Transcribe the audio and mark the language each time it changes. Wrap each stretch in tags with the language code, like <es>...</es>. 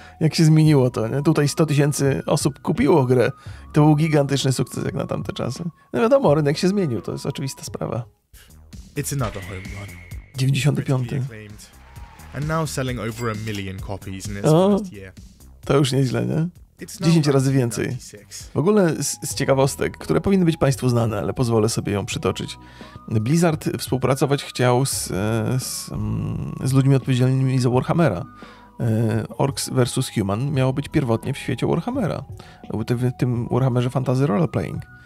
<pl>Jak się zmieniło to, nie? Tutaj 100 tysięcy osób kupiło grę. To był gigantyczny sukces jak na tamte czasy. No wiadomo, rynek się zmienił, to jest oczywista sprawa.</pl> <en>It's another home run. 95. And now selling over a million copies in its first year.</en> <pl>To już nieźle, nie? 10 razy więcej. W ogóle z ciekawostek, które powinny być państwu znane, ale pozwolę sobie ją przytoczyć. Blizzard współpracować chciał z ludźmi odpowiedzialnymi za Warhammera. Orcs vs. Human miało być pierwotnie w świecie Warhammera. W tym Warhammerze Fantasy Roleplaying.</pl>